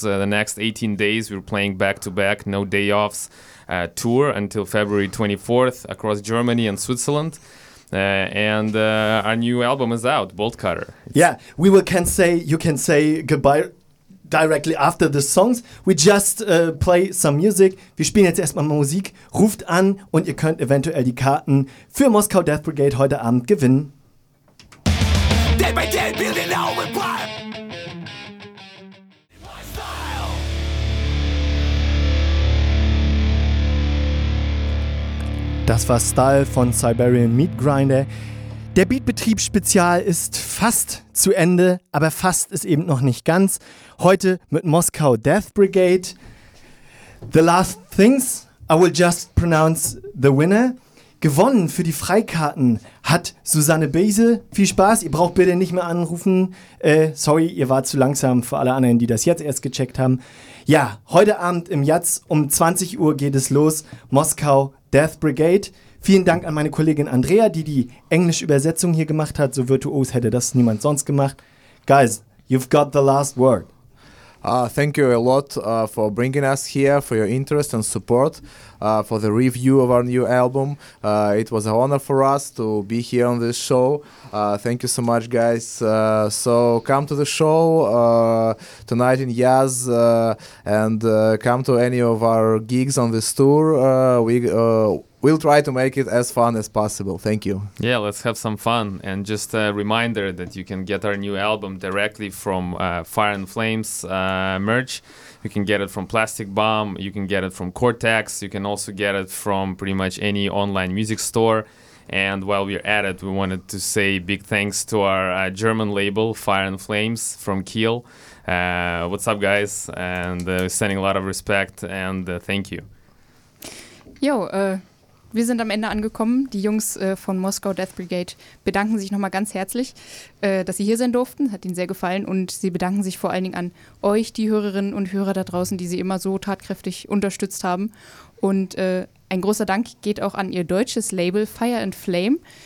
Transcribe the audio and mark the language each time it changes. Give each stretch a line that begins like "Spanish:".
English: The next 18 days, we're playing back to back, no day offs, tour until February 24th across Germany and Switzerland. And our new album is out, Bolt Cutter. Yeah, we will can say you can say goodbye directly after the songs. We just play some music.
German: Wir spielen jetzt erstmal Musik. Ruft an und ihr könnt eventuell die Karten für Moskau Death Brigade heute Abend gewinnen.
English: Day by day, building our empire.
German: Das war Style von Siberian Meat Grinder. Der Beatbetrieb-Spezial ist fast zu Ende, aber fast ist eben noch nicht ganz. Heute mit Moskau Death Brigade.
English: The last things, I will just pronounce the winner.
German: Gewonnen für die Freikarten hat Susanne Beise. Viel Spaß, ihr braucht bitte nicht mehr anrufen. Sorry, ihr wart zu langsam für alle anderen, die das jetzt erst gecheckt haben. Ja, heute Abend im Yatz um 20 Uhr geht es los. Moskau Death Brigade. Vielen Dank an meine Kollegin Andrea, die die englische Übersetzung hier gemacht hat. So virtuos hätte das niemand sonst gemacht.
English: Guys, you've got the last word. Thank you a lot for bringing us here, for your interest and support, for the review of our new album. It was an honor for us to be here on this show. Thank you so much, guys. So come to the show tonight in Yatz and come to any of our gigs on this tour. We'll try to make it as fun as possible. Thank you. Yeah, let's have some fun. And just a reminder that you can get our new album directly from Fire and Flames merch. You can get it from Plastic Bomb. You can get it from Cortex. You can also get it from pretty much any online music store. And while we're at it, we wanted to say big thanks to our German label, Fire and Flames from Kiel. What's up, guys? And sending a lot of respect and thank you.
German: Yo, wir sind am Ende angekommen. Die Jungs von Moskau Death Brigade bedanken sich nochmal ganz herzlich, dass sie hier sein durften. Hat ihnen sehr gefallen. Und sie bedanken sich vor allen Dingen an euch, die Hörerinnen und Hörer da draußen, die sie immer so tatkräftig unterstützt haben. Und ein großer Dank geht auch an ihr deutsches Label Fire and Flame.